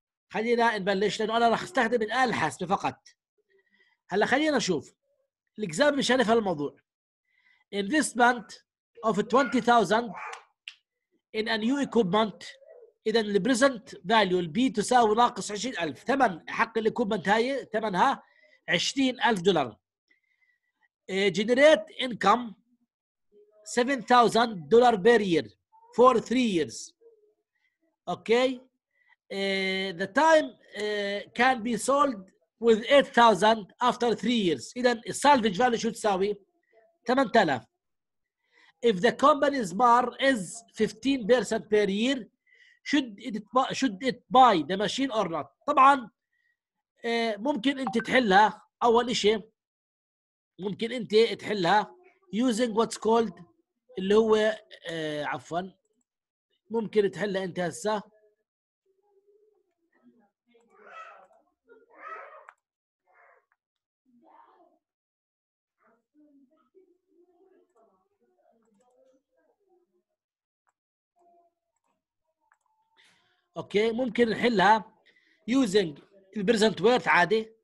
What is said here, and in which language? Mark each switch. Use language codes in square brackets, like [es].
[ar] خلينا نبلش لانه انا راح استخدم الاله الحاسبه فقط. هلا خلينا نشوف الاكزام مشان افهم الموضوع. [en] Investment of 20,000 in a new equipment [ar] اذا البريزنت فاليو البي تساوي ناقص 20,000 ثمن حق الايكوبمنت هاي ثمنها 20,000 دولار. [en] Generate income $7,000 per year for 3 years. Okay. The time can be sold with $8,000 after 3 years. [ar] إذا [en] salvage value [ar] شو تساوي؟ 8,000. [en] If the company's MAR is 15% per year, should it buy the machine or not? [ar] طبعا ممكن أنت تحلها. أول إشي ممكن انت تحلها [en] using what's called [ar] اللي هو عفوا ممكن تحلها انت هسه اوكي ممكن نحلها using البريزنت ويرث عادي.